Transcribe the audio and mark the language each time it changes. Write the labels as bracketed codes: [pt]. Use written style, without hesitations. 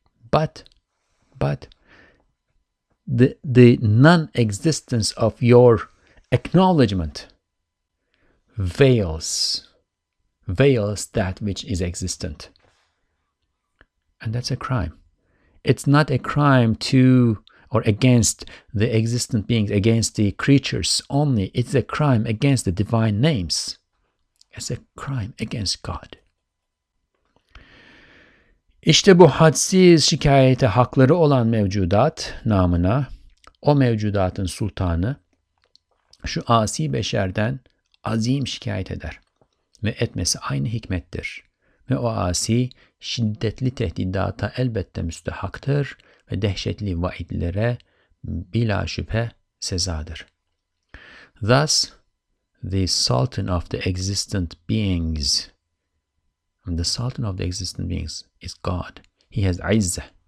[en] But the non-existence of your acknowledgement veils that which is existent. And that's a crime. It's not a crime to or against the existent beings, against the creatures only. It's a crime against the divine names. It's a crime against God. [tr] İşte bu hadsiz şikayete hakları olan mevcudat namına, o mevcudatın sultanı, şu asi beşerden azim şikayet eder ve etmesi aynı hikmettir. Ve o asi şiddetli tehdidata elbette müstehaktır ve dehşetli vaidlere bila şüphe sezadır. [en] Thus, the Sultan of the existent beings, the Sultan of the existent beings is God. He has izzah.